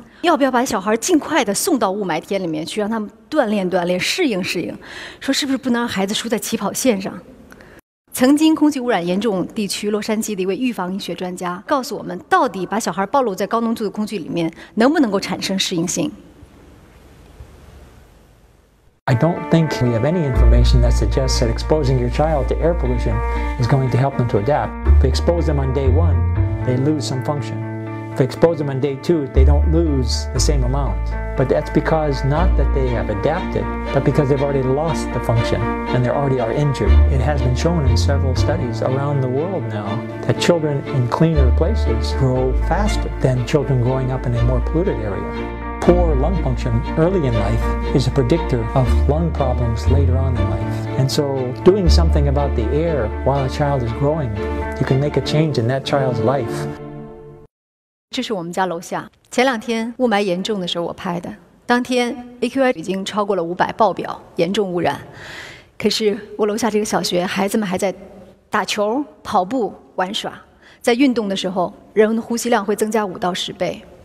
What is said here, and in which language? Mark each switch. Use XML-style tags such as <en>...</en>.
<zh>要不要把小孩尽快的送到雾霾天里面去，让他们锻炼锻炼，适应适应，说是不是不能让孩子输在起跑线上。曾经空气污染严重地区洛杉矶的一位预防医学专家告诉我们，到底把小孩暴露在高浓度的空气里面能不能够产生适应性。</zh> <en>I don't think we have any information that suggests that exposing your child to air pollution is going to help them to adapt. If we expose them on day 1, they lose some function. If we expose them on day 2, they don't lose the same amount. But that's because not that they have adapted, but because they've already lost the function and they already are injured. It has been shown in several studies around the world now that children in cleaner places grow faster than children growing up in a more polluted area. Poor lung function early in life is a predictor of lung problems later on in life. And so doing something about the air while a child is growing, you can make a change in that child's life.</en> <zh>这是我们家楼下。前两天雾霾严重的时候我拍的。当天 AQI 已经超过了500爆表，严重污染。可是我楼下这个小学，孩子们还在打球、跑步、玩耍。在运动的时候，人的呼吸量会增加5到10倍。</zh>